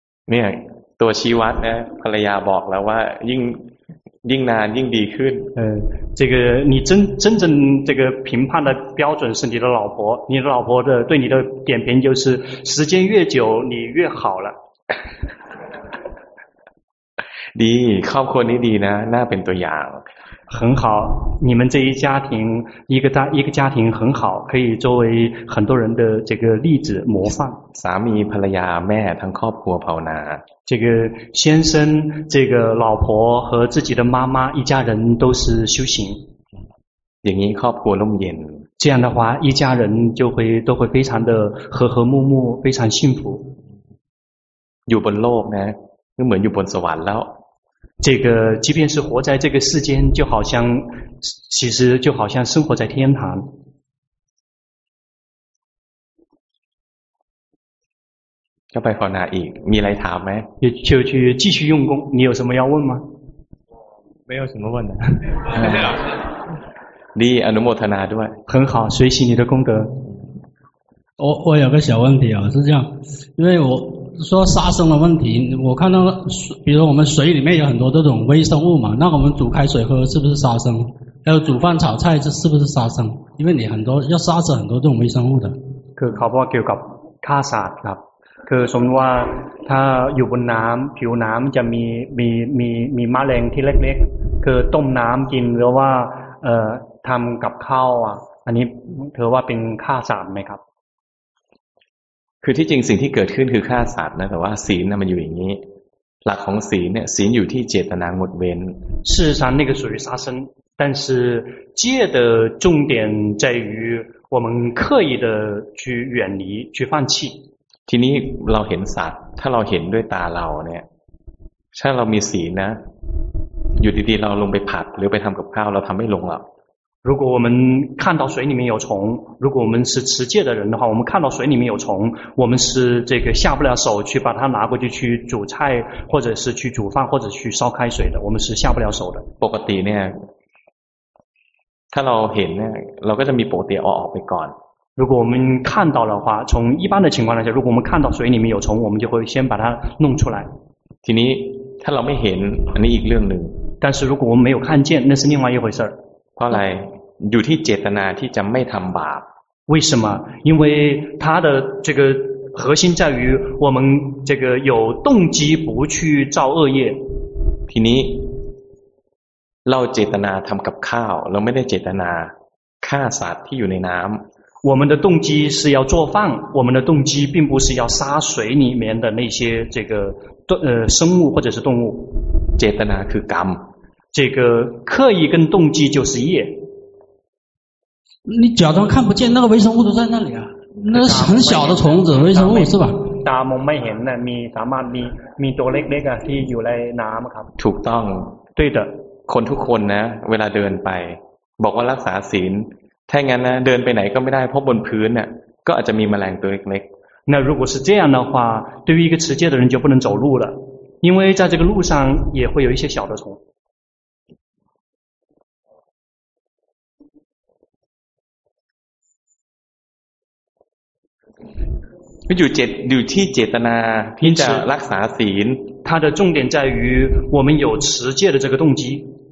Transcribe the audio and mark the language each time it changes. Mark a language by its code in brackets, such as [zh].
[th] เนี่ยตัวชี้วัดนะภรรยาบอกแล้วว่ายิ่งนานยิ่งดีขึ้น [zh] 这个你真正这个评判的标准是你的老婆你的老婆的对你的点评就是时间越久你越好了 [th] ดีครอบครัวนี้ดีนะน่าเป็นตัวอย่าง [zh] 很好，你们这一家庭，一个家庭很好，可以作为很多人的这个例子模范。 [th] สามีภรรยาแม่ทั้งครอบครัวภาวนา。 [zh] 这个先生，这个老婆和自己的妈妈，一家人都是修行。 [th] อย่างนี้ครอบครัวร่มเย็น。 [zh] 这样的话，一家人都会非常的和和睦睦，非常幸福。 [th] อยู่บนโลกนะ，ก็เหมือนอยู่บนสวรรค์แล้ว。 [zh] 这个即便是活在这个世间，就好像其实就好像生活在天堂。要拜佛哪里？你来查没？就去继续用功。你有什么要问吗？没有什么问的。你安努莫特纳对吧？很好，随喜你的功德。我有个小问题啊，是这样，因为我。说杀生的问题，我看到比如说我们水里面有很多这种微生物嘛，那我们煮开水喝是不是杀生？还有煮饭炒菜这是不是杀生？因为你很多要杀死很多这种微生物的。 [th] คือเขาบอกเกี่ยวกับฆ่าสัตว์ครับคือสมมติว่าถ้าอยู่บนน้ำผิวน้ำจะมีแมลงที่เล็กๆคือต้มน้ำกินหรือว่าทำกับข้าวอ่ะอันนี้ถือว่าเป็นฆ่าสัตว์ไหมครับ คือที่จริงสิ่งที่เกิดขึ้นคือฆ่าสัตว์นะแต่ว่าศีลน่ะมันอยู่อย่างนี้หลักของศีลเนี่ยศีลอยู่ที่เจตนางดเว้น [zh] 事实上那个属于杀生但是戒的重点在于我们刻意的去远离去放弃 [th] ทีนี้เราเห็นสัตว์ถ้าเราเห็นด้วยตาเราเนี่ยถ้าเรามีศีลนะอยู่ดีๆเราลงไปผัดหรือไปทำกับข้าวเราทำไม่ลงหรอก [zh] 如果我们看到水里面有虫，如果我们是持戒的人的话，我们看到水里面有虫，我们是这个下不了手去把它拿过去去煮菜，或者是去煮饭，或者去烧开水的，我们是下不了手的。 [th] ปกติเนี่ย ถ้าเราเห็นเนี่ย เราก็จะมีปกติออกไปก่อน [zh] 如果我们看到的话，从一般的情况来讲，如果我们看到水里面有虫，我们就会先把它弄出来。 [th] ทีนี้ ถ้าเราไม่เห็น อันนี้อีกเรื่องหนึ่ง [zh] 但是如果我们没有看见，那是另外一回事 [th] เพราะอะไรอยู่ที่เจตนาที่จะไม่ทำบาป [zh] 为什么因为它的这个核心在于我们这个有动机不去造恶业 [th] ทีนี้เราเจตนาทำกับข้าวเราไม่ได้เจตนาฆ่าสัตว์ที่อยู่ในน้ำ [zh] 我们的动机是要做饭我们的动机并不是要杀水里面的那些这个生物或者是动物 [th] เจตนาคือกรรม [zh] 这个刻意跟动机就是业你假装看不见那个微生物都在那里啊那是很小的虫子微生物是吧 [th] ตามองไม่เห็นน่ะมีสามารถมีตัวเล็กๆที่อยู่ในน้ำครับ ถูกต้อง [zh] 对的 [th] คนทุกคนนะเวลาเดินไปบอกว่ารักษาศีลถ้างั้นนะเดินไปไหนก็ไม่ได้เพราะบนพื้นน่ะก็อาจจะมีแมลงตัวเล็ก [zh] ๆ那如果是这样的话对于一个持戒的人就不能走路了因为在这个路上也会有一些小的虫 [th] อยู่เจตอยู่ที่เจตนาที่จะรักษาศีล [zh] 它的重点在于我们有持戒的这个动机